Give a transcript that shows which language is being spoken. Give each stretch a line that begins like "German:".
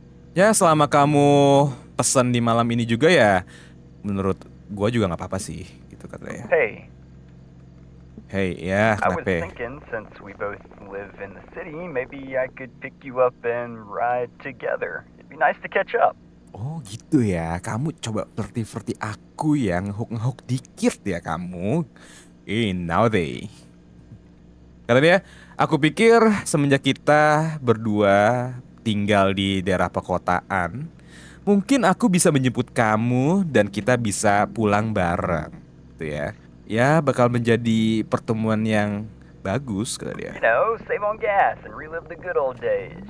Indonesian: Ya, selama kamu pesen di malam ini juga ya, menurut gue juga nggak apa-apa sih, gitu katanya.
English: Hey,
Indonesian: Hey, yeah, kenapa?
English: I was thinking, since we both live in the city, maybe I could pick you up and ride together. It'd be nice to catch up.
Indonesian: Oh, gitu ya. Kamu coba flirty-flirty aku ya, ngehook-ngehook dikit ya kamu. In now they. Karena ya, aku pikir semenjak kita berdua tinggal di daerah perkotaan, mungkin aku bisa menjemput kamu dan kita bisa pulang bareng. Gitu ya. Ya, bakal menjadi pertemuan yang bagus, kata dia.
English: You know, save on gas and relive the good old days.